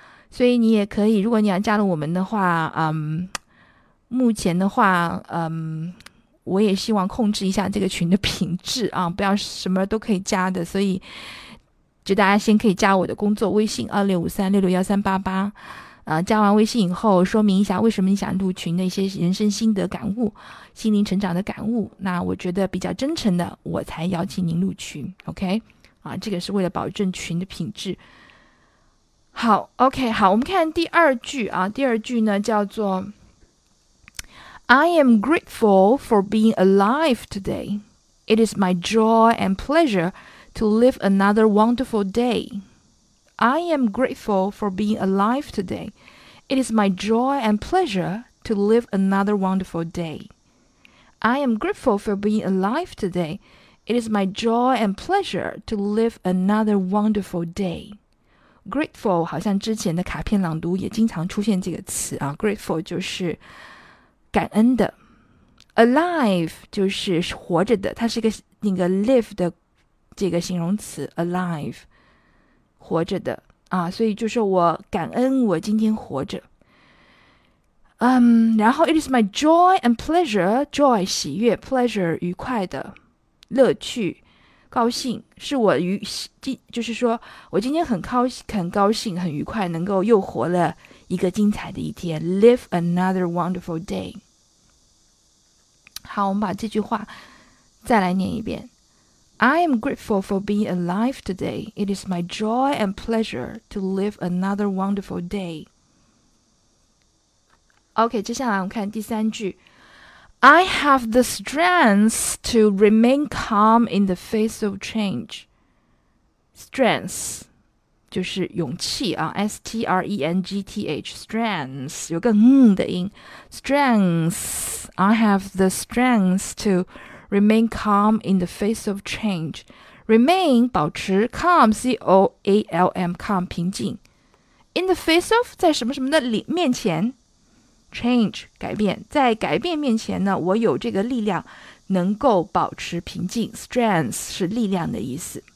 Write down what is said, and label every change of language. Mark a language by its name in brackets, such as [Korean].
[Chinese] 所以你也可以，如果你要加入我们的话，目前的话，我也希望控制一下这个群的品质啊，不要什么都可以加的，所以就大家先可以加我的工作微信26536613388，加完微信以后说明一下为什么你想入群的一些人生心得感悟，心灵成长的感悟，那我觉得比较真诚的我才邀请您入群 OK 啊，这个是为了保证群的品质。好 OK， 好，我们看第二句啊，第二句呢叫做 [English] I am grateful for being alive today. It is my joy and pleasure to live another wonderful day. I am grateful for being alive today. It is my joy and pleasure to live another wonderful day. I am grateful for being alive today. It is my joy and pleasure to live another wonderful day. [Chinese] Grateful 好像之前的卡片朗读也经常出现这个词啊， grateful 就是感恩的， alive 就是活着的，它是一个那个 live 的这个形容词 alive， 活着的啊，所以就是我感恩我今天活着。然后 [English] it is my joy and pleasure， [Chinese] joy 喜悦， pleasure 愉快的乐趣高兴，是我愉，就是说我今天很高兴很愉快，能够又活了一个精彩的一天， [English] live another wonderful day。 [Chinese] 好，我们把这句话再来念一遍。 [English] I am grateful for being alive today. It is my joy and pleasure to live another wonderful day. [Chinese] OK， 接下来我们看第三句。 [English] I have the strength to remain calm in the face of change. [Chinese] Strength就是勇气啊 ,strength, strength, 有个嗯的音 ,strength, [English] I have the strength to remain calm in the face of change, [Chinese] remain, 保持 calm, c-o-a-l-m, calm, 平静 in the face of, 在什么什么的面前 change, 改变，在改变面前呢，我有这个力量能够保持平静 ,strength 是力量的意思。